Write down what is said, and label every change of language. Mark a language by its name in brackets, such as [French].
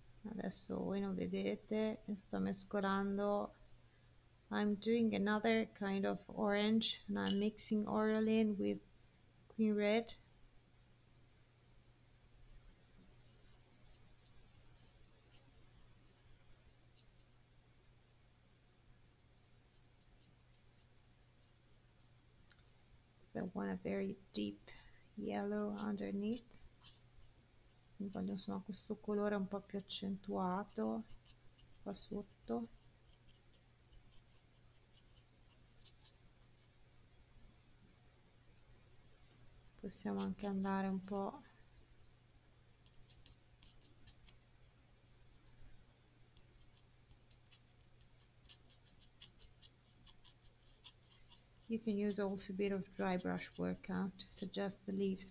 [Italian] Adesso voi non vedete, sto mescolando. [English] I'm doing another kind of orange and I'm mixing Oralin with Queen Red. So I want a very deep yellow underneath. [Italian] Voglio insomma questo colore un po' più accentuato qua sotto. Possiamo anche andare un po' [English] you can use also a bit of dry brush work to suggest the leaves.